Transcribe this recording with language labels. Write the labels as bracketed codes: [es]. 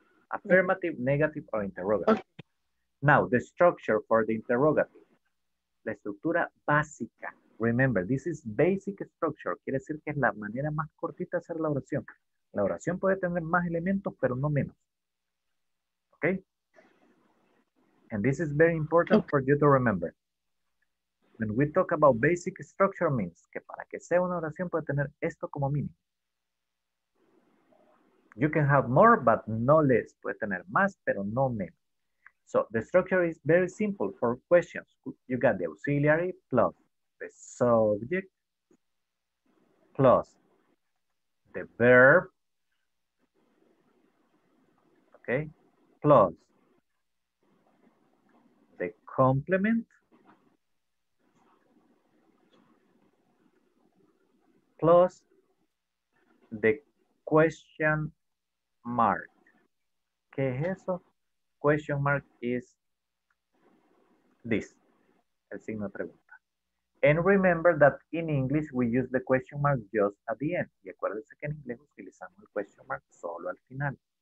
[en] Affirmative, negative, or interrogative. Okay. Now, the structure for the interrogative. [es] La estructura básica. [en] Remember, this is basic structure. [es] Quiere decir que es la manera más cortita de hacer la oración. La oración puede tener más elementos, pero no menos. Okay? [en] And this is very important for you to remember. When we talk about basic structure means [es] que para que sea una oración puede tener esto como mínimo. [en] You can have more, but no less. [es] Puede tener más, pero no menos. [en] So, the structure is very simple for questions. You got the auxiliary plus the subject plus the verb, okay, plus the complement plus the question mark. [es] ¿Qué es eso? [en] Question mark is this, [es] el signo de pregunta. [en] And remember that in English we use the question mark just at the end. [es] Y acuérdense que en inglés utilizamos el question mark solo al final.